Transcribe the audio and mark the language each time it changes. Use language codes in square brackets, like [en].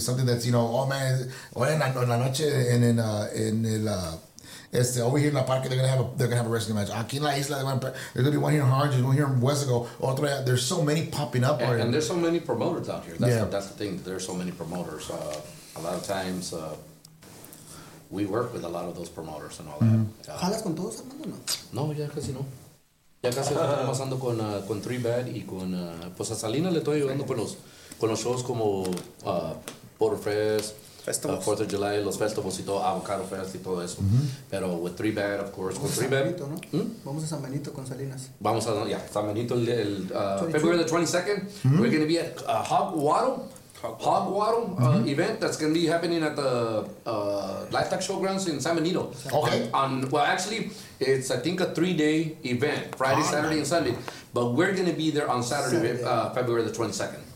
[en] Something that's, you know, oh man, [es] bueno, en la noche, [en] and then, [es] en el, este, [en] over here in La Parque, they're going to have a wrestling match. [es] Aquí en la isla, [en] there's going to be one here in Orange, one here in Wesico, [es] otro, [en] there's so many popping up. And, there's so many promoters out here. That's the thing, there's so many promoters. A lot of times, we work with a lot of those promoters and all that. [es] ¿Jalas con todos, Armando, no? No, ya casi no. Ya casi estoy pasando con 3Bad y con... pues a Salinas le estoy ayudando con los shows como Porterfest, Fourth of July, los festivals y todo, Avocado Fest y todo eso. Mm-hmm. Pero [en] with 3Bad, of course, [es] con 3Bad. Benito, ¿no? Vamos a San Benito con Salinas. Vamos a San Benito el [en] February the 22nd. [es] Mm-hmm. [en] We're going to be at Hogwaddle event that's going to be happening at the Livestock Showgrounds in San Benito. Okay. It's, I think, a three-day event, Friday, Saturday, and Sunday. But we're going to be there on Saturday, February the 22nd.